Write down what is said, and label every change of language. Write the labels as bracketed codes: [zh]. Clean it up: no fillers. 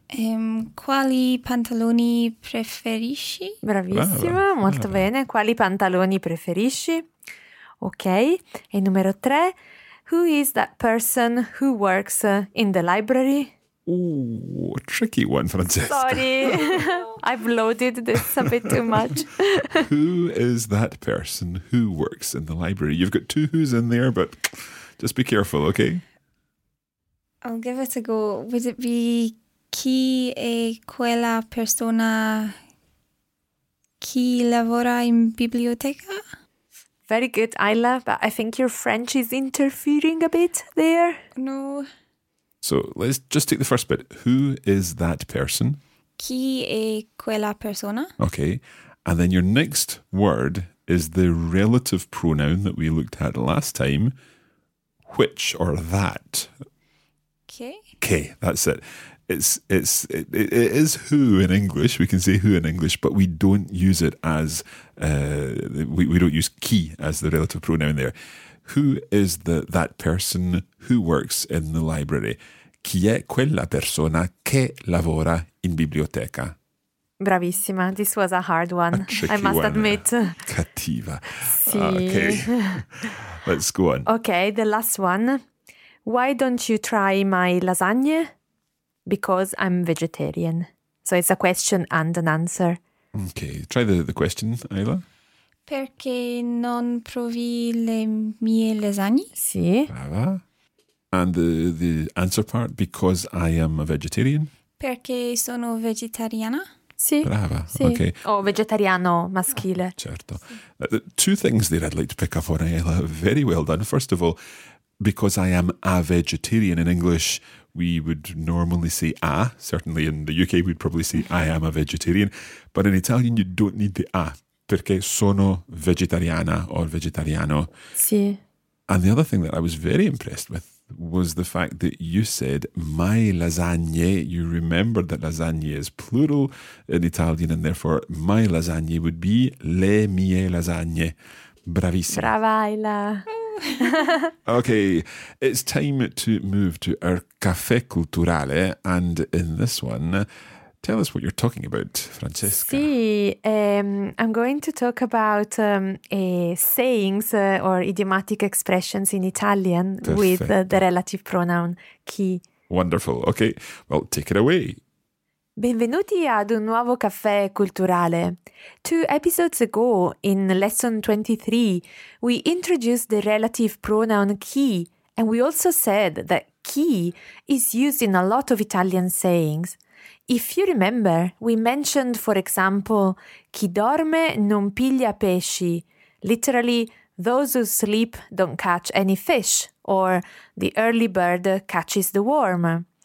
[it] Quali pantaloni preferisci? Bravissima, molto bene. Quali pantaloni preferisci? [en] Ok. [it] E numero tre, [en] who is that person who works in the library? Ooh, tricky one, Francesca. Sorry, I've loaded this a bit too much. Who is that person who works in the library? You've got two who's in there, but just be careful, okay? I'll give it a go. Would it be [it] chi è quella persona chi lavora in biblioteca? [en] Very good, Ayla, but I think your French is interfering a bit there. No. So let's just take the first bit. Who is that person? [it] Chi è quella persona? [en] Okay. And then your next word is the relative pronoun that we looked at last time. Which or that? Okay, that's it. It is who in English. We can say who in English, but we don't use it as we don't use chi as the relative pronoun there. Who is that person who works in the library? [it] Chi è quella persona che lavora in biblioteca? [en] Bravissima. This was a hard one. I must admit. [it] Cattiva. Sì. [en] Okay. Let's go on. Okay, the last one. Why don't you try my lasagne? Because I'm vegetarian. So it's a question and an answer. Okay, try the question, Ayla. [it] Perché non provi le mie lasagne? Sì. Brava. [en] And the answer part, because I am a vegetarian? [it] Perché sono vegetariana. Sì. Brava. Sì. [en] Okay. [it] O vegetariano maschile. Certo. Sì. [en] Two things there I'd like to pick up on, Ayla. Very well done. First of all, because I am a vegetarian. In English, we would normally say a. Certainly in the UK, we'd probably say I am a vegetarian. But in Italian, you don't need the a. [it] Perché sono vegetariana or vegetariano. Sì. [en] And the other thing that I was very impressed with was the fact that you said my lasagne. You remembered that lasagne is plural in Italian, and therefore my lasagne would be [it] le mie lasagne. [en] Bravissima. Brava, Ayla. Okay, it's time to move to our caffè culturale, and in this one, tell us what you're talking about, Francesca. Sì, I'm going to talk about sayings or idiomatic expressions in Italian. Perfetto. With the relative pronoun chi. Wonderful, okay, well, take it away. [it] Benvenuti ad un nuovo caffè culturale. [en] Two episodes ago, in lesson 23, we introduced the relative pronoun chi, and we also said that chi is used in a lot of Italian sayings. If you remember, we mentioned, for example, [it] chi dorme non piglia pesci, [en] literally, those who sleep don't catch any fish, or the early bird catches the worm.